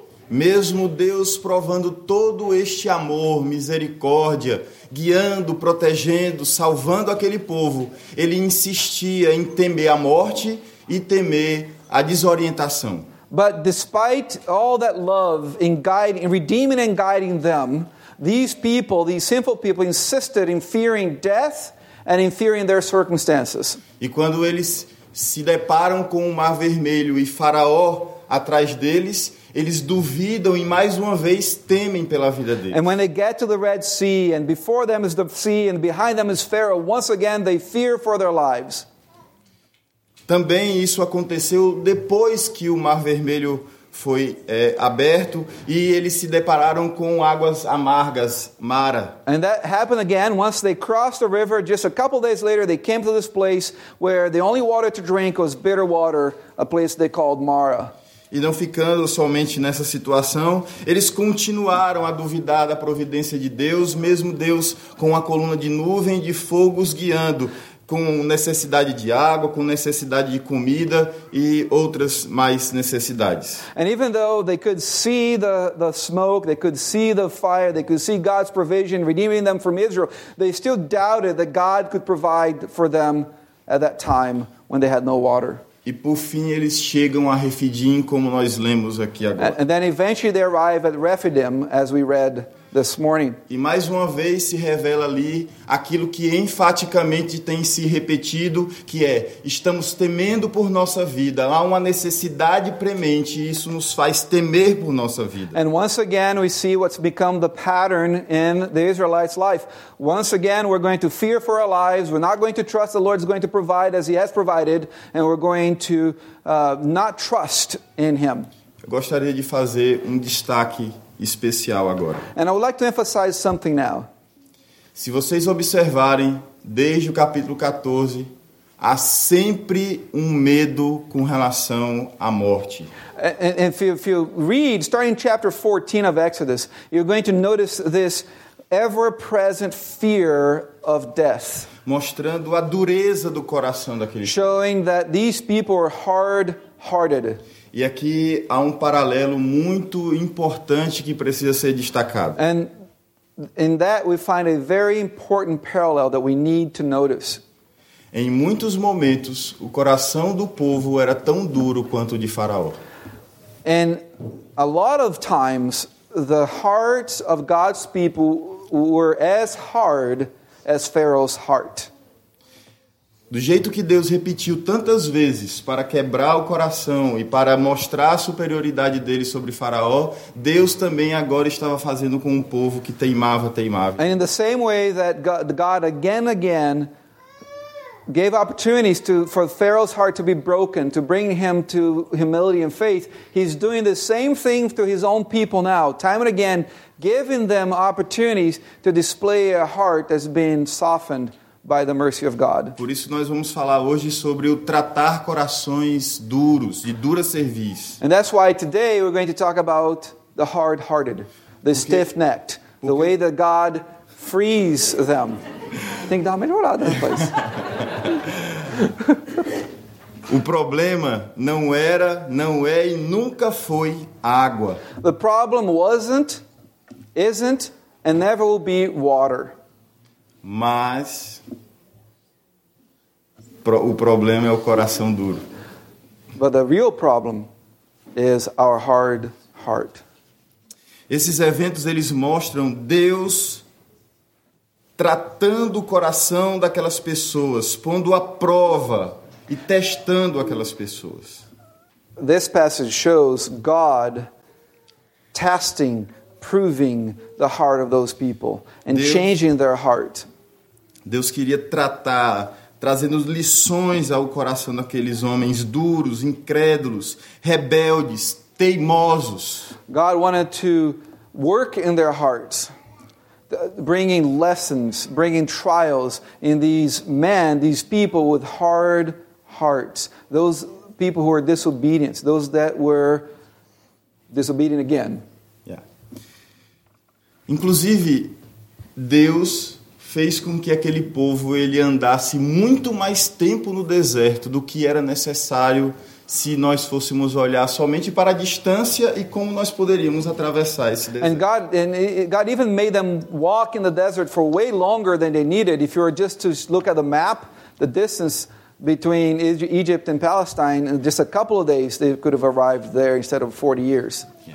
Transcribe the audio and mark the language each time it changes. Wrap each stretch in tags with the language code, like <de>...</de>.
<pt>Mesmo Deus provando todo este amor, misericórdia, guiando, protegendo, salvando aquele povo, ele insistia em temer a morte e temer a desorientação.</pt> <en>But despite all that love in guiding, in redeeming and guiding them, these people, these sinful people, insisted in fearing death and in fearing their circumstances.</en> <pt>E quando eles se deparam com o Mar Vermelho e Faraó atrás deles, eles duvidam e mais uma vez temem pela vida deles.</pt> <en>And when they get to the Red Sea, and before them is the sea, and behind them is Pharaoh, once again they fear for their lives.</en> <pt>Também isso aconteceu depois que o Mar Vermelho foi aberto e eles se depararam com águas amargas, Mara.</pt> <en>And that happened again once they crossed the river. Just a couple days later, they came to this place where the only water to drink was bitter water, a place they called Mara.</en> <pt>E não ficando somente nessa situação, eles continuaram a duvidar da providência de Deus, mesmo Deus com a coluna de nuvem de fogos guiando, com necessidade de água, com necessidade de comida e outras mais necessidades.</pt> <en>And even though they could see the smoke, they could see the fire, they could see God's provision redeeming them from Israel, they still doubted that God could provide for them at that time when they had no water.</en> <pt>E por fim eles chegam a Refidim, como nós lemos aqui agora.</pt> <en>And then eventually they arrive at Rephidim, as we read this morning.</en> <pt>E mais uma vez se revela ali aquilo que enfaticamente tem se repetido, que é: estamos temendo por nossa vida. Há uma necessidade premente e isso nos faz temer por nossa vida.</pt> <en>And once again we see what's become the pattern in the Israelites' life. Once again we're going to fear for our lives. We're not going to trust the Lord's going to provide as he has provided, and we're going to not trust in him.</en> <pt>Eu gostaria de fazer um destaque especial agora.</pt> <en>And I would like to emphasize something now.</en> <pt>Se vocês observarem, desde o capítulo 14, há sempre um medo com relação à morte.</pt> <en>And if you read, starting chapter 14 of Exodus, you're going to notice this ever-present fear of death.</en> <pt>Mostrando a dureza do coração daquele.</pt> <en>Showing that these people are hard-hearted.</en> <pt>E aqui há um paralelo muito importante que precisa ser destacado.</pt> <en>And in that we find a very important parallel that we need to notice.</en> <pt>Em muitos momentos, o coração do povo era tão duro quanto o de Faraó.</pt> <en>And a lot of times, the hearts of God's people were as hard as Pharaoh's heart.</en> <pt>Do jeito que Deus repetiu tantas vezes para quebrar o coração e para mostrar a superioridade dele sobre Faraó, Deus também agora estava fazendo com um povo que teimava.</pt> <en>And in the same way that God again and again gave opportunities for Pharaoh's heart to be broken, to bring him to humility and faith, he's doing the same thing to his own people now, time and again, giving them opportunities to display a heart that's been softened by the mercy of God.</en> <pt>Por isso nós vamos falar hoje sobre o tratar corações duros, de dura cerviz.</pt> <en>And that's why today we're going to talk about the hard-hearted, the stiff-necked, the way that God frees them.</en> <pt>Tem que dar uma melhorada depois. O problema não era, não é e nunca foi água.</pt> <en>The problem wasn't, isn't, and never will be water.</en> <pt>Mas o problema é o coração duro.</pt> <en>But the real problem is our hard heart.</en> <pt>Esses eventos eles mostram Deus tratando o coração daquelas pessoas, pondo à prova e testando aquelas pessoas.</pt> <en>This passage shows God testing, proving the heart of those people and Deus, changing their heart.</en> <pt>Deus queria tratar, trazendo lições ao coração daqueles homens duros, incrédulos, rebeldes, teimosos.</pt> <en>God wanted to work in their hearts, bringing lessons, bringing trials in these men, these people with hard hearts, those people who are disobedient, those that were disobedient again. Yeah.</en> <pt>Inclusive, Deus fez com que aquele povo ele andasse muito mais tempo no deserto do que era necessário se nós fôssemos olhar somente para a distância e como nós poderíamos atravessar esse deserto.</pt> <en>And God even made them walk in the desert for way longer than they needed. If you were just to look at the map, the distance between Egypt and Palestine, in just a couple of days, they could have arrived there instead of 40 years.</en>